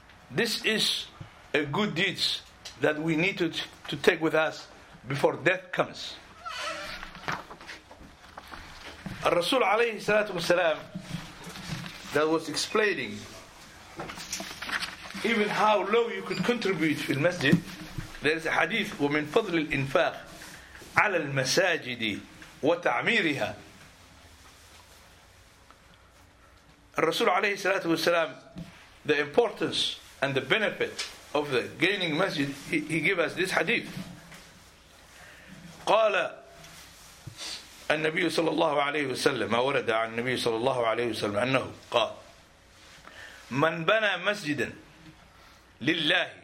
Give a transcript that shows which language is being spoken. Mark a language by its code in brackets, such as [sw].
[en] This is a good deed that we need to take with us before death comes. Al-Rasul alayhi salatu wa salam that was explaining even how low you could contribute in masjid. There is a hadith, [ar] وَمِنْ فَضْلِ الْإِنْفَاقِ عَلَى الْمَسَاجِدِ وَتَعْمِيرِهَا. [en] Rasul alayhi salatu wasalam, the importance and the benefit of the gaining masjid, he gave us this hadith. [ar] قَالَ النَّبِيُّ صَلَى اللَّهُ عَلَيْهُ وَسَلَّمَ مَا وَرَدَ عَنْ النَّبِيُّ صَلَى اللَّهُ عَلَيْهُ وَسَلَّمَ أَنَّهُ قَالَ مَنْ بَنَى مَسْجِدًا لِلَّهِ.